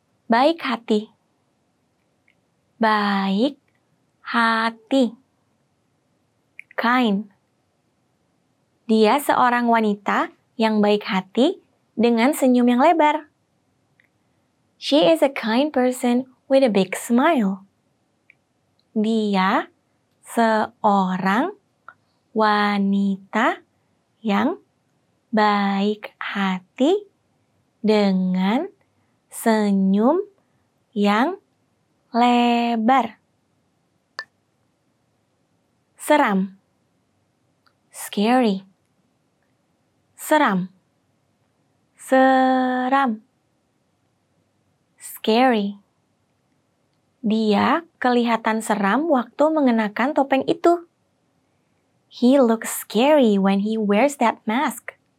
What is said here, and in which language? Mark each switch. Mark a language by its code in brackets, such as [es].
[id] Baik hati. Baik hati. [en] Kind. [id] Dia seorang wanita yang baik hati dengan senyum yang lebar. [en] She is a kind person with a big smile. [id] Dia seorang wanita yang baik hati dengan senyum yang lebar. Seram. [en] Scary. [id] Seram. Seram. [en] Scary. [id] Dia kelihatan seram waktu mengenakan topeng itu. [en] He looks scary when he wears that mask.